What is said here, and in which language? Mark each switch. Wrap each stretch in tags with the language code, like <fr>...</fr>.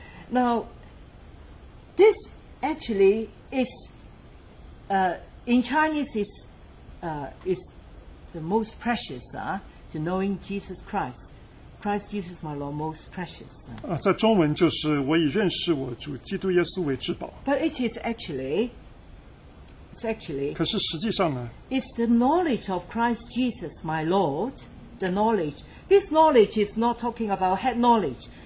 <en>Now this actually is in Chinese is the most precious to knowing Jesus Christ. Christ Jesus, my Lord, most precious.</en> <zh>在中文就是我以认识我主基督耶稣为至宝。</zh> <en>But it is actually, it's actually.</en> <zh>可是实际上呢?</zh> <en>It's the knowledge of Christ Jesus, my Lord. The knowledge. This knowledge is not talking about head knowledge.</en>